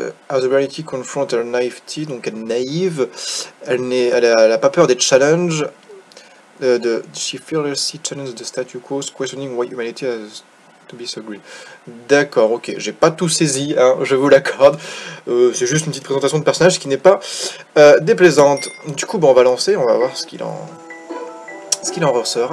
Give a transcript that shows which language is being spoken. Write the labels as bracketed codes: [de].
[en] The reality confront her naïveté, [fr] donc elle est naïve. Elle a pas peur des challenges. [en] She fearlessly challenges the statu quo, questioning why humanity has to be so great. [fr] D'accord, ok, j'ai pas tout saisi, hein, je vous l'accorde. C'est juste une petite présentation de personnage qui n'est pas déplaisante. Du coup, bon, on va lancer, on va voir ce qu'il en ressort.